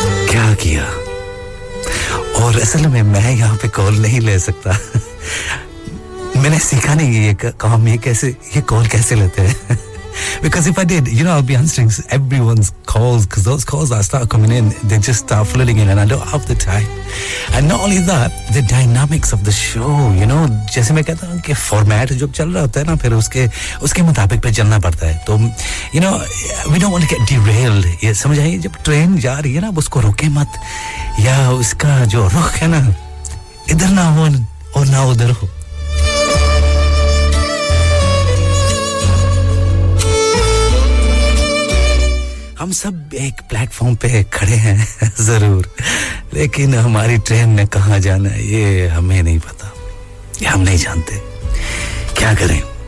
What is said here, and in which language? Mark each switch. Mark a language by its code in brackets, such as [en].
[hi] क्या किया और असल में मैं यहाँ पे कॉल नहीं ले सकता मैंने सीखा नहीं ये काम ये कैसे ये कॉल कैसे लेते हैं [en] Because if I did, you know, I'll be answering everyone's calls because those calls that start coming in, they just start flooding in and I don't have the time. And not only that, the dynamics of the show, you know, [hi] जैसे मैं कहता हूँ कि format जो चल रहा होता है ना फिर उसके उसके मुताबिक पे चलना पड़ता है तो [en] you know, we don't want to get derailed. [hi] ये समझाइए जब train जा रही है ना उसको रोके मत या उसका जो रुख है ना इधर ना हो और ना उधर हो हम सब एक प्लेटफॉर्म पे खड़े हैं जरूर लेकिन हमारी ट्रेन में कहाँ जाना है ये हमें नहीं पता ये हम नहीं जानते क्या करें